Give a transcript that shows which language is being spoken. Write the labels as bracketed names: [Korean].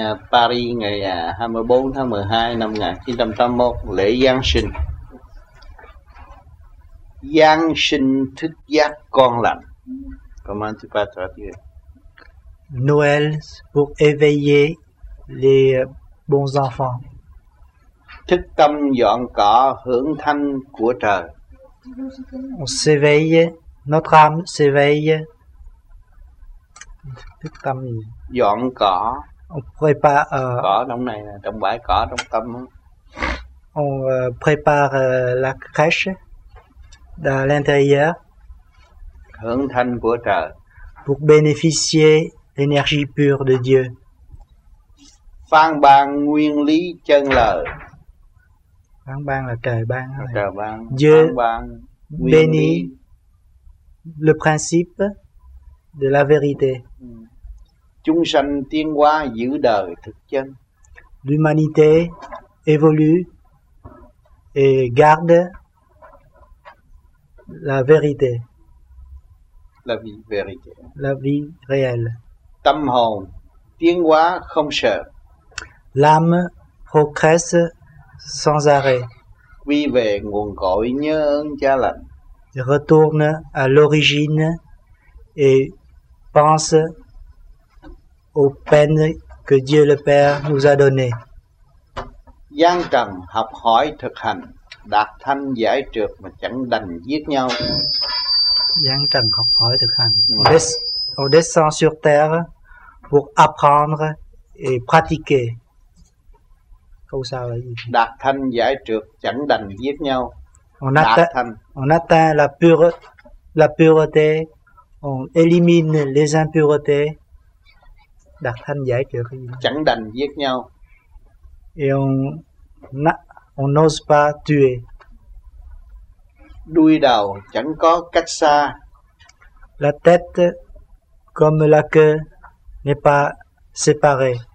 [Vietnamese] Paris, ngày 24 tháng 12 năm 1981, lễ Giáng sinh. Giáng sinh thức giác con lành. [French] Comment tu peux traduire? Noël pour éveiller les bons enfants. [Vietnamese] Thức tâm dọn cỏ hưởng thanh của trời. [French] On s'éveille, notre âme s'éveille. [Vietnamese] Thức tâm gì? Dọn cỏ. [French] On prépare. [Vietnamese] Cỏ trong này, trong bãi cỏ trong tâm. [French] On prépare la crèche à l'intérieur. [Vietnamese] Hưởng thanh của trời. [French] Pour bénéficier l'énergie pure de Dieu. [Vietnamese] Phan ban nguyên lý chân lời. Phan ban là trời ban. Trời ban. [French] Dieu bénit le principe de la vérité. [Vietnamese] Chúng sanh tiến hóa giữ đời thực chân. [French] L'humanité évolue et garde la vérité. La vie vérité. La vie réelle. [Vietnamese] Tâm hồn tiến hóa không sợ. [French] L'âme progresse sans arrêt. [Vietnamese] Quy về nguồn cội nhớ ơn cha lành. [French] Retourne à l'origine et pense aux peines que Dieu le Père nous a données. [Vietnamese] Gian trần học hỏi thực hành, đạt thanh giải trượt mà chẳng đành giết nhau. Gian trần học hỏi thực hành. [French] On descend sur terre pour apprendre et pratiquer. [Vietnamese] Câu sao là gì? Đạt thanh giải trượt chẳng đành giết nhau. [French] On atteint la pureté, on élimine les impuretés. [Vietnamese] Đạt thanh giải trượt cái gì? Chẳng đành giết nhau. [French] Et on n'ose pas tuer. [Vietnamese] Đuôi đầu chẳng có cách xa. [French] La tête comme la queue n'est pas séparé.